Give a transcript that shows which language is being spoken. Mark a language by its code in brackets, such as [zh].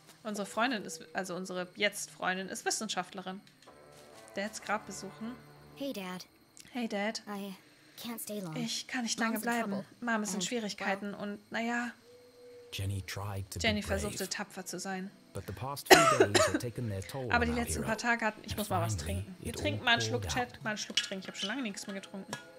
[de] Unsere Freundin ist, also unsere Jetzt-Freundin, ist Wissenschaftlerin. Dads Grab besuchen. [en] Hey, Dad. Hey, Dad. I can't stay long. [de] Ich kann nicht lange bleiben. Mom ist in Schwierigkeiten und, naja. Jenny versuchte, tapfer zu sein. [en] But the past few days have taken their toll. [de] Aber die letzten paar Tage hatten... Ich muss mal was trinken. Wir trinken mal einen Schluck, Chat. Mal einen Schluck trinken. Ich habe schon lange nichts mehr getrunken.